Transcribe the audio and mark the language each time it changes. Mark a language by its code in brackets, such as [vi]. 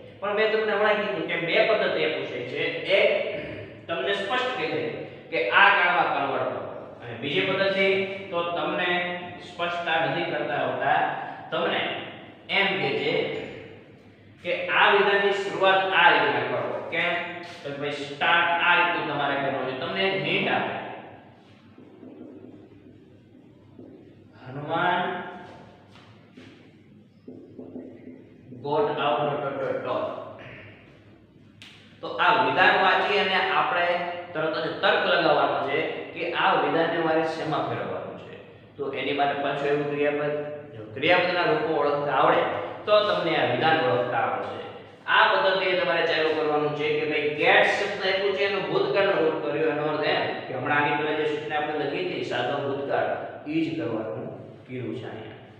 [gu] પણ મેં તમને હમણાં કીધું કે બે પદ્ધતિ એ પૂછે છે, એક તમને સ્પષ્ટ કહી દે કે આ કાળમાં કન્વર્ટ કરો, અને બીજી પદ્ધતિ તો તમને સ્પષ્ટતા નથી કરતા હોતા, તમને એમ કહે છે કે આ વિધાનની શરૂઆત આ રીતે કરો. કેમ? તો ભાઈ સ્ટાર્ટ આ રીતે તમારે કરવો છે, તમને હિંટ આપે. [en] Hanuman got out of the door. [gu] તો આ વિધાન વાંચી અને આપણે તરત જ તર્ક લગાવવાનો છે કે આ વિધાનને મારે શેમાં ફેરવવાનું છે. તો એની માટે પાછું એવું ક્રિયાપદ, જો ક્રિયાપદના રૂપો ઓળખતા આવડે તો તમને આ વિધાન ઓળખતા આવડશે. આ પદ્ધતિ તમારે ચાલુ કરવાનું છે કે ભાઈ ગેટ શબ્દ આપ્યું છે, એનું ભૂતકાળનું રૂપ કર્યું, એનો અર્થ એમ કે હમણાં આની પહેલા જે સૂચના આપણે લખી હતી સાદો ભૂતકાળ, એ જ કરવાનું કીધું છે અહીંયા.